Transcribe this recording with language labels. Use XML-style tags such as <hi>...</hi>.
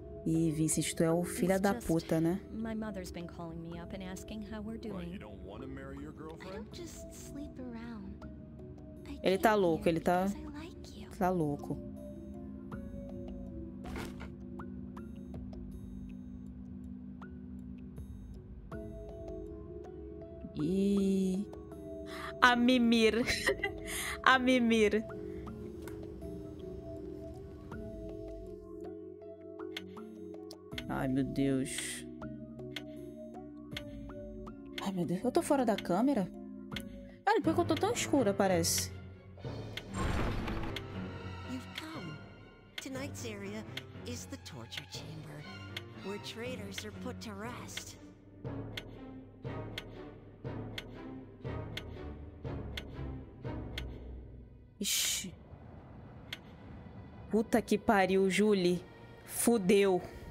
<pt>E Vincent, tu é o filho da puta, né?</pt> <en>My mother's been calling me up and asking how we're doing. You don't want to marry your girlfriend? I don't just sleep around.</en> <pt>Ele tá louco, ele tá. Tá louco. E a Mimir. A Mimir. Ai, meu Deus. Ai, meu Deus. Eu tô fora da câmera? Olha, por que eu tô tão escura, parece?</pt> <en>Tonight's area is the torture chamber, where traitors are put to rest.</en> <pt>Ixi. Puta que pariu, Julie. Fudeu.</pt>